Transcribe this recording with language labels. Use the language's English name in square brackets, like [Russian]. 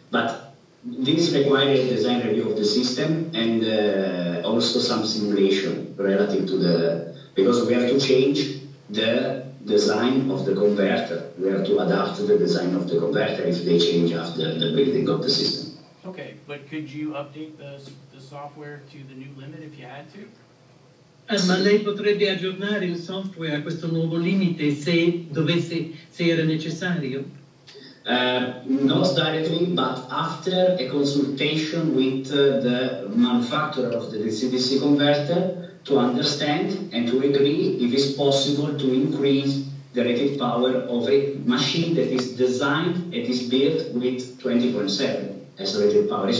[English] But this requires a design review of the system and also some simulation relative to the, because we have to change the design of the converter. We have to adapt the design of the converter if they change after the building of the system. Okay, but could you update the software to the new limit if you had to? [Italian] Ma lei potrebbe aggiornare il software a questo nuovo limite se dovesse, se era necessario? [English] Not directly, but after a consultation with the manufacturer of the DC-DC converter to understand and to agree if it's possible to increase the rated power of a machine that is designed and is built with 20.7 as a rated power.